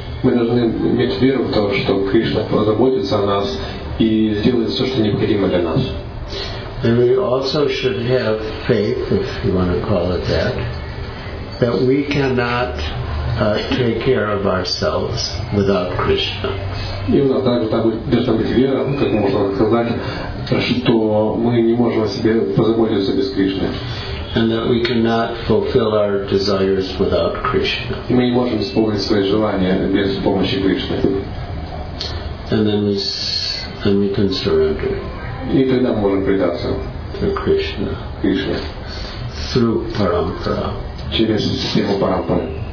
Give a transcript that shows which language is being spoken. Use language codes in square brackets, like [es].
[ru] Мы должны иметь веру в то, что Кришна позаботится о нас и сделает все, что необходимо для нас. [en] And we also should have faith, if you want to call it that, that we cannot take care of ourselves without Krishna. [ru] И у нас также должна быть вера, как можно сказать, что мы не можем о себе позаботиться без Кришны. [en] And that we cannot fulfill our desires without Krishna. [ru] Мы не можем исполнить свои желания без помощи Кришны. [en] And then we can surrender. [ru] И тогда мы можем предаться. [en] Through Krishna. [ru] Кришне. [en] Through Parampara. [ru] Через систему Парампары.